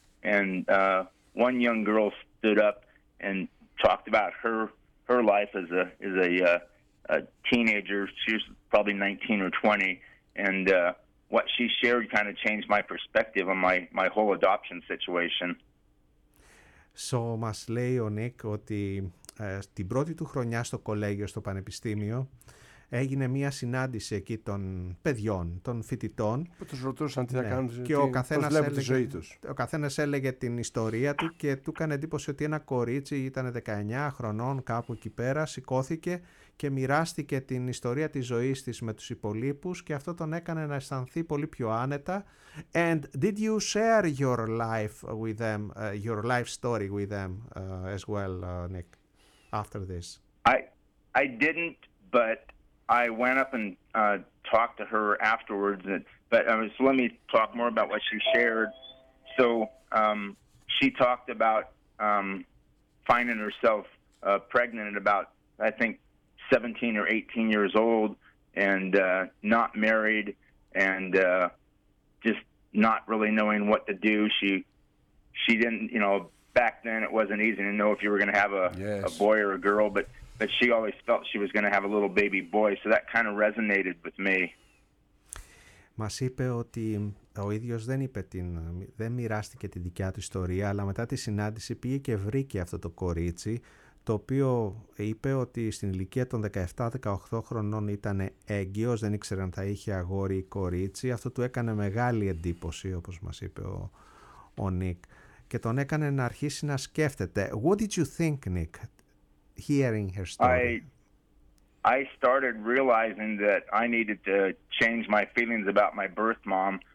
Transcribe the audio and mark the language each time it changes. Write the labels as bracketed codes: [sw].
[en] And one young girl stood up and talked about her life as a teenager. She was probably 19 or 20. And what she shared kind of changed my perspective on my whole adoption situation. [el] So, μας λέει ο Νίκ ότι την πρώτη του χρονιά στο κολέγιο, στο πανεπιστήμιο, έγινε μία συνάντηση εκεί των παιδιών, των φοιτητών. Που τους ρωτούσαν τι θα κάνουν, και πώς βλέπουν τη ζωή τους. Ο καθένας έλεγε την ιστορία του και του έκανε εντύπωση ότι ένα κορίτσι, ήταν 19 χρονών κάπου εκεί πέρα, σηκώθηκε και μοιράστηκε την ιστορία της ζωής της με τους υπολείπους και αυτό τον έκανε να αισθανθεί πολύ πιο άνετα. [en] And did you share your life with them, your life story with them as well, Nick, after this? I didn't, but I went up and talked to her afterwards, so let me talk more about what she shared. So she talked about finding herself pregnant at about, I think, 17 or 18 years old and not married and just not really knowing what to do. She didn't, you know, back then it wasn't easy to know if you were going to have a boy or a girl, but she always felt she was going to have a little baby boy, so that kind of resonated with me. [el] Μας είπε ότι ο ίδιος δεν μοιράστηκε τη δικιά του ιστορία, αλλά μετά τη συνάντηση πήγε και βρήκε αυτό το κορίτσι, το οποίο είπε ότι στην ηλικία των 17-18 χρονών ήταν έγκυος, δεν ήξερε αν θα είχε αγόρι ή κορίτσι. Αυτό του έκανε μεγάλη εντύπωση, όπως μας είπε ο Νίκ, και τον έκανε να αρχίσει να σκέφτεται. [en] What did you think, Nick? Hearing her story, I started realizing that I needed to change my feelings about my birth mom.